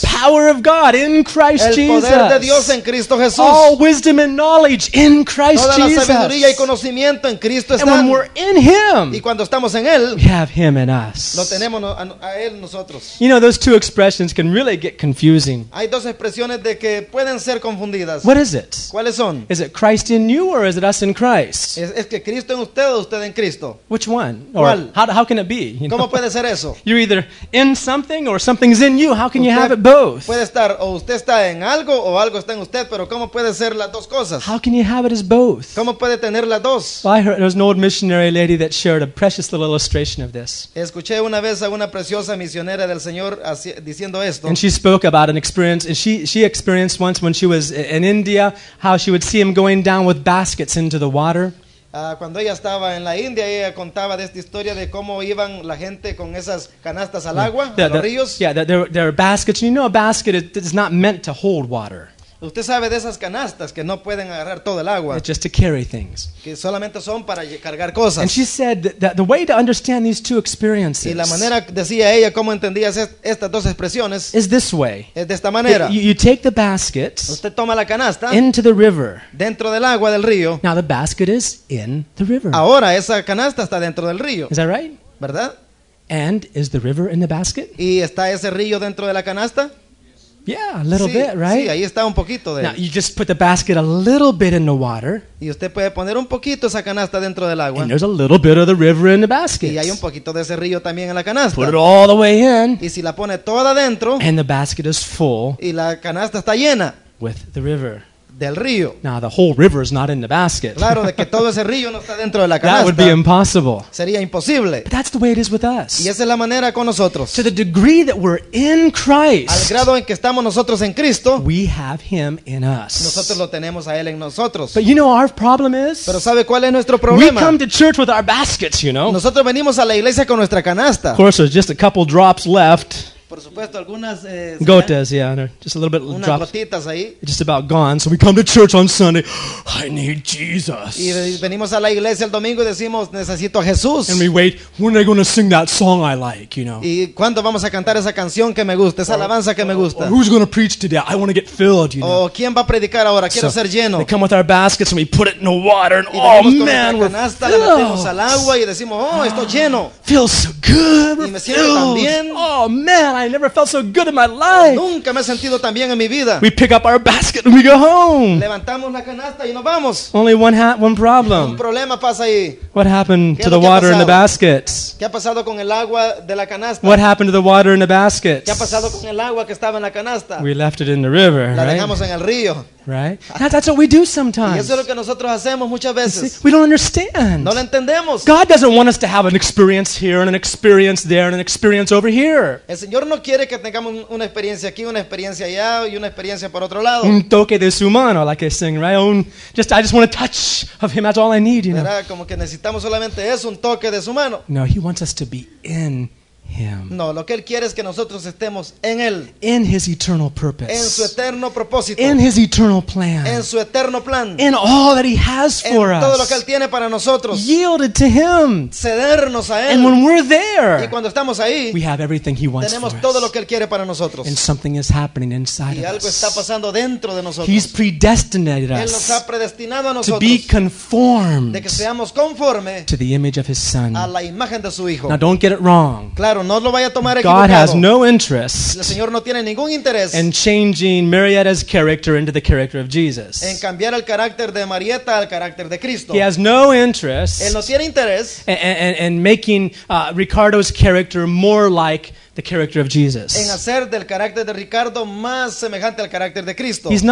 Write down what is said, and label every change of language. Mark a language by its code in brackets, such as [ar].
[en] The power of God in Christ Jesus. [es] El poder de Dios en Cristo Jesús. [en] All wisdom and knowledge. In Christ [es] toda [en] Jesus. [es] La sabiduría y conocimiento en Cristo están. [en] And when we're in Him, [es] y cuando estamos en Él, [en] we have Him in us. [es] Lo tenemos a Él nosotros. [en] You know, those two expressions can really get confusing. [es] Hay dos expresiones de que pueden ser confundidas. [en] What is it? [es] ¿Cuáles son? [en] Is it Christ in you or is it us in Christ? [es] Es que Cristo en usted o usted en Cristo. [en] Which one? [es] ¿Cuál? [en] Or how can it be? You [es] ¿cómo [en] know? [es] Puede ser eso? [en] You're either in something or something's in you. How can you have it both? [es] Puede estar o usted está en algo o algo está en usted, pero ¿cómo puede ser las dos cosas? [en] How How can you have it as both? [es] ¿Cómo puede tener las dos? [en] Well, I heard, there was an old missionary lady that shared a precious little illustration of this. [es] Escuché una vez a una preciosa misionera del Señor diciendo esto. [en] And she spoke about an experience, and she experienced once when she was in India, how she would see him going down with baskets into the water. [es] Cuando ella estaba en la India, ella contaba de esta historia de cómo iban la gente con esas canastas al agua, a los ríos. [en] Yeah, there are baskets. You know, a basket is not meant to hold water. [es] Usted sabe de esas canastas que no pueden agarrar todo el agua. [en] It's just to carry things. [es] Que solamente son para cargar cosas. [en] And she said that the way to understand these two experiences. [es] Y la manera decía ella cómo entendía estas dos expresiones. [en] Is this way. [es] Es de esta manera. [en] You take the basket. [es] Usted toma la canasta. [en] Into the river. [es] Dentro del agua del río. [en] Now the basket is in the river. [es] Ahora esa canasta está dentro del río. [en] Is that right? [es] ¿Verdad? [en] And is the river in the basket? [es] ¿Y está ese río dentro de la canasta? [en] Yeah, a little bit, right? [es] Sí, ahí está un poquito de. [en] Now you just put the basket a little bit in the water. [es] Y usted puede poner un poquito esa canasta dentro del agua. [en] And there's a little bit of the river in the basket. [es] Y hay un poquito de ese río también en la canasta. [en] Put it all the way in. [es] Y si la pone toda dentro. [en] And the basket is full. [es] Y la canasta está llena. [en] With the river. [es] Del río. [en] Now the whole river is not in the basket. [es] Claro, de que todo ese río no está dentro de la canasta. [en] That would be impossible. [es] Sería imposible. [en] But that's the way it is with us. [es] Y esa es la manera con nosotros. [en] To the degree that we're in Christ. [es] Al grado en que estamos nosotros en Cristo. [en] We have Him in us. [es] Nosotros lo tenemos a Él en nosotros. [en] But you know our problem is. [es] Pero sabe cuál es nuestro problema. [en] We come to church with our baskets, you know. [es] Nosotros venimos a la iglesia con nuestra canasta. [en] Of course, there's just a couple drops left. [es] Por supuesto, algunas, gotas, [en] yeah, just a little bit [es] unas [en] drops, [es] gotitas ahí. [en] Just about gone. So we come to church on Sunday. I need Jesus. [es] Y venimos a la iglesia el domingo y decimos necesito a Jesús. [en] And we wait. When are they going to sing that song I like? You know. [es] Y cuándo vamos a cantar esa canción que me gusta, esa alabanza que me gusta. [en] Or who's going to preach today? I want to get filled. You know. [es] O quién va a predicar ahora? Quiero ser lleno. [en] They come with our baskets and we put it in the water and oh man, we're filled. [es] La metemos al agua y decimos oh estoy lleno. [en] Feels so good. [es] Y me siento tan bien. [en] Oh man. I never felt so good in my life. [es] Nunca me he sentido tan bien en mi vida. [en] We pick up our basket and we go home. [es] Levantamos la canasta y nos vamos. [en] Only one problem. [es] Un problema pasa ahí. [en] What happened to the water in the baskets? [es] ¿Qué ha pasado con el agua de la canasta? [en] What happened to the water in the baskets? [es] ¿Qué ha pasado con el agua que estaba en la canasta? [en] We left it in the river, [es] la dejamos [en] right? [es] En el río. [en] Right? That's what we do sometimes. [es] Y eso es lo que nosotros hacemos muchas veces. [en] See, we don't understand. [es] No lo entendemos. [en] God doesn't want us to have an experience here and an experience there and an experience over here. [es] El Señor no quiere que tengamos una experiencia aquí, una experiencia allá y una experiencia por otro lado. Un toque de su mano, [en] like they sing, right? I just want a touch of Him. That's all I need, you know. [es] Como que necesitamos solamente eso, un toque de su mano. [en] No, He wants us to be in Him. [es] No, lo que Él quiere es que nosotros estemos en Él. [en] In His eternal purpose. [es] En su eterno propósito. [en] In His eternal plan. [es] En su eterno plan. [en] In all that He has for us. [es] En todo lo que Él tiene para nosotros. [en] Yielded to Him. [es] Cedernos a Él. [en] And when we're there. [es] Y cuando estamos ahí. [en] We have everything He wants [es] tenemos [en] for us. [es] Tenemos todo lo que Él quiere para nosotros. [en] And something is happening inside of us. [es] Y algo está pasando dentro de nosotros. [en] He's predestinated us. [es] Él nos ha predestinado a nosotros. [en] To be conformed. [es] De que seamos conforme. [en] To the image of His Son. [es] A la imagen de su Hijo. [en] Now don't get it wrong. [es] Claro. No lo vaya a tomar equivocado. [en] God has no interest. [es] El Señor no tiene ningún interés. [en] In changing Marietta's character into the character of Jesus. [es] En cambiar el carácter de Marietta al carácter de Cristo. [en] He has no interest. [es] Él no tiene interés. [en] In making Ricardo's character more like the character of Jesus. [es] En hacer del carácter de Ricardo más semejante al carácter de Cristo.